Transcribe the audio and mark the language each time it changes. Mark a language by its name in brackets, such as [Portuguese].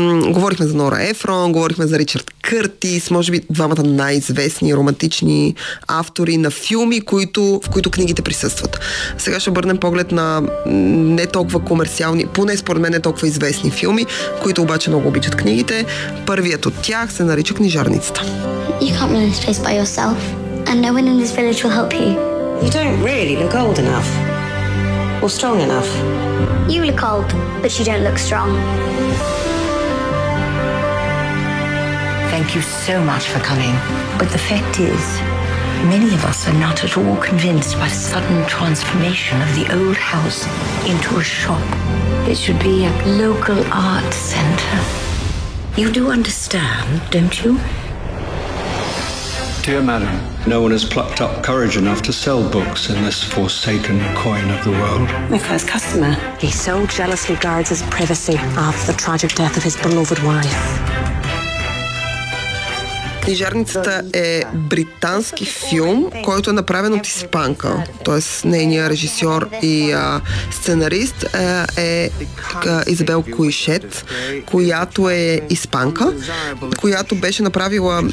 [Bulgarian] Говорихме за Нора Ефрон, говорихме за Ричард Къртис, може би двамата най-известни романтични автори на филми, в които книгите присъстват. Сега ще обърнем поглед на не толкова комерциални, поне според мен не толкова известни филми, които обаче много обичат книгите. Първият от тях се нарича Книжарницата. [English] You can't run this place by yourself, and no one in this village will help you. You don't really look old enough. Or strong enough. You look old, but you don't look strong. thank you so much for coming. But the fact is, many of us are not at all convinced by the sudden transformation of the old house into a shop. It should be a local art center. You do understand, don't you? Dear madam, no one has plucked up courage enough to sell books in this forsaken coin of the world. My first customer. He so jealously guards his privacy after the tragic death of his beloved wife. [Bulgarian] Книжарницата е британски филм, който е направен от испанка. Т.е. нейният режисьор и сценарист е Изабел Куишет, която е испанка, която беше направила...